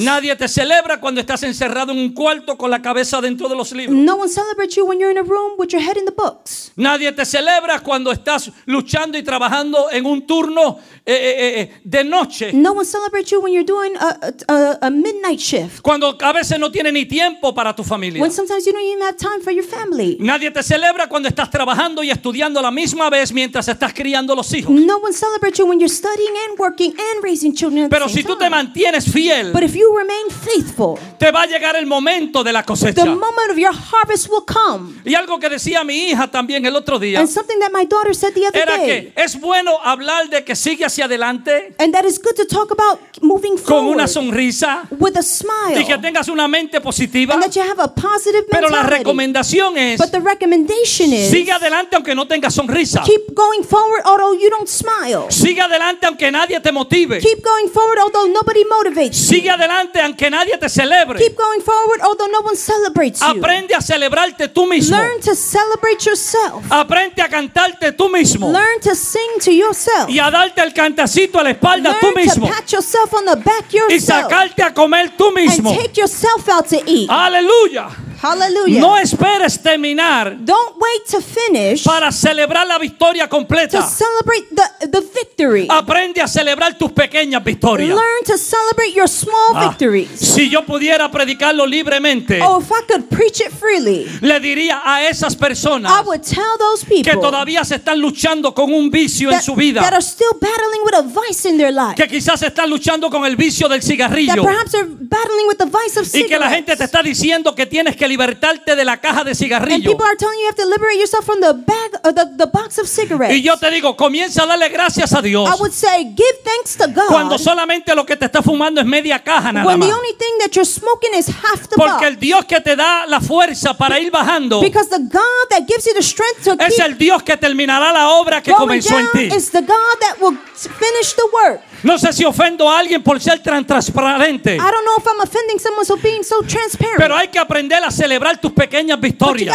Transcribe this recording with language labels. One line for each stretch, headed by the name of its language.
Spanish: Nadie te celebra cuando estás encerrado en un cuarto con la cabeza dentro de los libros.
English: No one celebrates you when you're in a room with your head in the books.
Spanish: Nadie te celebra cuando estás luchando y trabajando en un turno de noche.
English: No one celebrates you when you're doing a midnight shift.
Spanish: Cuando a veces no tienes ni tiempo para tu familia.
English: When sometimes you don't even have time for your family.
Spanish: Nadie te celebra cuando estás trabajando y estudiando a la misma vez mientras estás criando los hijos.
English: No one celebrates you when you're studying and working and raising children.
Spanish: Pero si tú
English: time.
Spanish: Te mantienes fiel,
English: but if you remain faithful,
Spanish: te va a llegar el momento de la cosecha.
English: The moment of your harvest will come.
Spanish: Y algo que decía mi hija también el otro día.
English: And something that my daughter said the other
Spanish: era
English: day.
Spanish: Era que es bueno hablar de que sigue hacia adelante.
English: And that is good to talk about moving forward.
Spanish: Con una sonrisa.
English: With a smile.
Spanish: Y que tengas una mente positiva.
English: And that you have a positive
Spanish: pero
English: mentality.
Spanish: La recomendación es.
English: But the recommendation is.
Spanish: Sigue adelante aunque no tengas sonrisa.
English: Keep going forward although you don't smile.
Spanish: Sigue adelante aunque nadie te motive.
English: Keep going forward although nobody motivates you.
Spanish: Sigue adelante aunque nadie te celebre.
English: Keep going forward although no one celebrates you.
Spanish: Aprende a celebrarte tú mismo.
English: Learn to celebrate yourself.
Spanish: Aprende a cantarte tú mismo.
English: Learn to sing to yourself.
Spanish: Y a darte el cantacito a la espalda
English: learn
Spanish: tú mismo.
English: Learn to pat yourself on the back yourself.
Spanish: Y sacarte a comer tú mismo.
English: And take yourself out to eat.
Spanish: Aleluya.
English: Hallelujah.
Spanish: No esperes terminar.
English: Don't wait to finish.
Spanish: Para celebrar la victoria completa.
English: To celebrate the victory.
Spanish: Aprende a celebrar tus pequeñas victorias.
English: Learn to celebrate your small victories.
Spanish: Si yo pudiera predicarlo libremente.
English: Oh, if I could preach it freely.
Spanish: Le diría a esas personas.
English: I would tell those people.
Spanish: Que todavía se están luchando con un vicio
English: that,
Spanish: en su vida.
English: That are still battling with a vice in their life.
Spanish: Que quizás están luchando con el vicio del cigarrillo.
English: That perhaps are battling with the vice of cigarettes.
Spanish: Y que la gente te está diciendo que tienes que libertarte de la caja de cigarrillo.
English: And people are telling you have to liberate yourself from the bag or the box of cigarettes.
Spanish: Y yo te digo, comienza a darle gracias a Dios.
English: I would say, give thanks to God.
Spanish: Cuando solamente lo que te está fumando es media caja nada más.
English: When the only thing that you're smoking is half the box.
Spanish: Porque el Dios que te da la fuerza para ir bajando.
English: Because the God that gives you the strength to keep.
Spanish: Es el Dios que terminará la obra que comenzó en ti.
English: Is the God that will finish the work.
Spanish: No sé si ofendo a alguien por ser tan transparente.
English: I don't know if I'm offending someone for being so transparent.
Spanish: Pero hay que aprender a celebrar tus pequeñas victorias.